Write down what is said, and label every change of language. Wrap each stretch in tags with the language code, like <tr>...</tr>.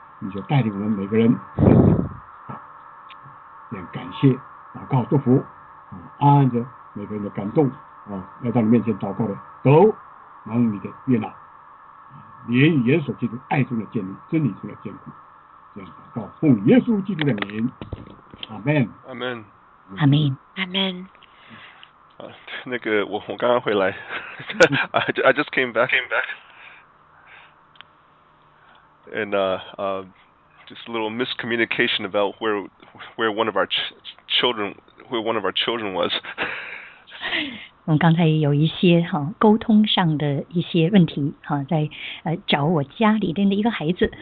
<zh>你就带领我们每个人向你祷告，感谢祷告祝福，安安着每个人的感动，来到你面前祷告的都蒙你的悦纳，连耶稣基督爱中的建立，真理中的坚固，这样祷告奉耶稣基督的名，阿们阿们阿们阿们。那个我刚刚回来</zh> <en>I just came back and just a little miscommunication about where one of our children was.</en> <zh>我们刚才有一些沟通上的一些问题，在找我家里边的一个孩子。</zh>